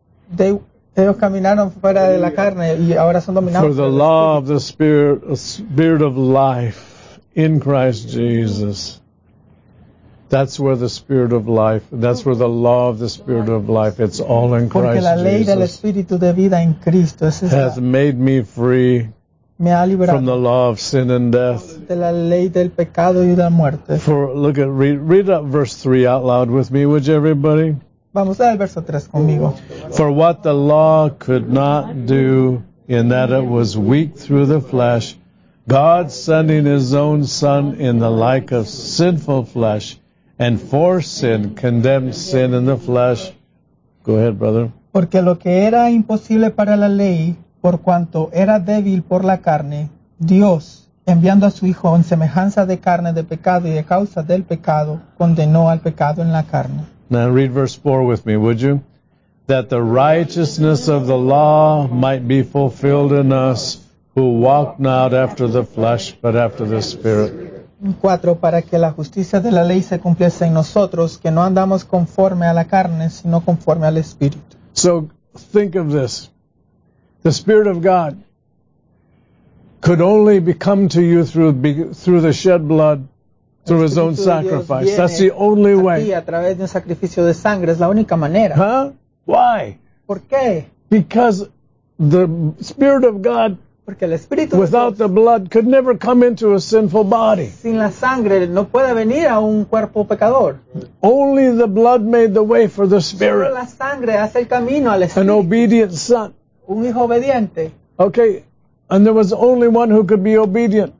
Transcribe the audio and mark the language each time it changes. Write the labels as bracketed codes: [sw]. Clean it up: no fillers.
[en] They [es] ellos caminaron fuera de la carne y ahora son dominados [en] for the law of the Spirit, a spirit of life. In Christ Jesus, that's where the Spirit of life, that's where the law of the Spirit of life, it's all in Christ [es] porque la ley [en] Jesus, [es] del Espíritu de vida en Cristo, es esa, [en] hath made me free [es] me ha liberado [en] from the law of sin and death. [es] De la ley del pecado y de la muerte. [en] For, look at, read up verse 3 out loud with me, would you everybody? [es] Vamos a ver el verso 3 conmigo. [en] For what the law could not do, in that it was weak through the flesh, God sending his own son in the like of sinful flesh and for sin condemned sin in the flesh. Go ahead, brother. [es] Porque lo que era imposible para la ley, por cuanto era débil por la carne, Dios, enviando a su Hijo en semejanza de carne de pecado y de causa del pecado, condenó al pecado en la carne. [en] Now read verse 4 with me, would you? That the righteousness of the law might be fulfilled in us who walk not after the flesh, but after the Spirit. [es] 4. Para que la justicia de la ley se cumpliese en nosotros, que no andamos conforme a la carne, sino conforme al Espíritu. [en] So, think of this. The Spirit of God could only become to you through the shed blood, through His own sacrifice. That's the only way. [es] A través de un sacrificio de sangre, es la única manera. [en] Huh? Why? [es] ¿Por qué? [en] Because the Spirit of God, [es] porque el Espíritu [en] without the blood, could never come into a sinful body. [es] Sin la sangre, no puede venir a un cuerpo pecador. [en] Only the blood made the way for the Spirit. [es] Solo la sangre hace el camino al Espíritu. [en] An obedient son. [es] Un hijo obediente. [en] Okay, and there was only one who could be obedient.